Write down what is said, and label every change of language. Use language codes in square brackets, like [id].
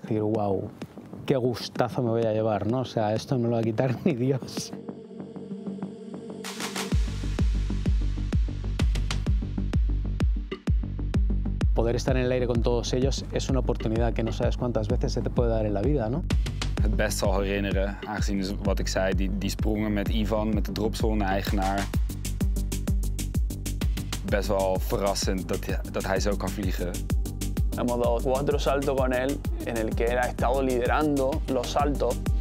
[es] Decir, wow, qué gustazo me voy a llevar, ¿no? O sea, esto no lo va a quitar ni Dios. Poder estar en el aire con todos ellos es una oportunidad que no sabes cuántas veces se te puede dar en la vida, ¿no? [nl] Het best zal herinneren, aangezien dus wat ik zei, die sprongen met Ivan, met de dropzone-eigenaar. Best wel verrassend dat hij zo kan vliegen. [es] Hemos dado cuatro saltos con él, en el que él ha estado liderando los saltos.